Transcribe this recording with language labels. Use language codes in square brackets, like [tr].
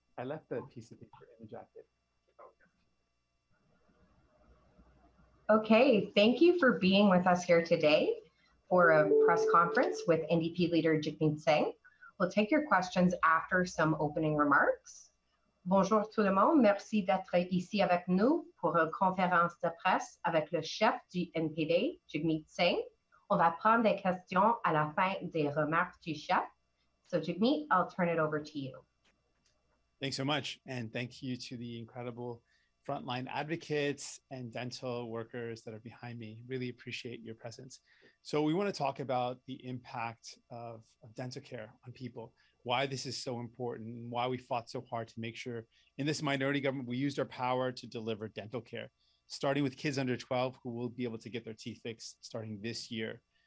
[en] I left the piece of paper in the jacket. Okay, thank you for being with us here today for a press conference with NDP leader Jagmeet Singh. We'll take your questions after some opening remarks. [fr] Bonjour tout le monde, merci d'être ici avec nous pour une conférence de presse avec le chef du NPD, Jagmeet Singh. On va prendre des questions à la fin des remarques du chef. [en] So Jagmeet, I'll turn it over to you. Thanks so much, and thank you to the incredible frontline advocates and dental workers that are behind me. Really appreciate your presence. So we want to talk about the impact of dental care on people, why this is so important, why we fought so hard to make sure in this minority government, we used our power to deliver dental care, starting with kids under 12 who will be able to get their teeth fixed starting this year.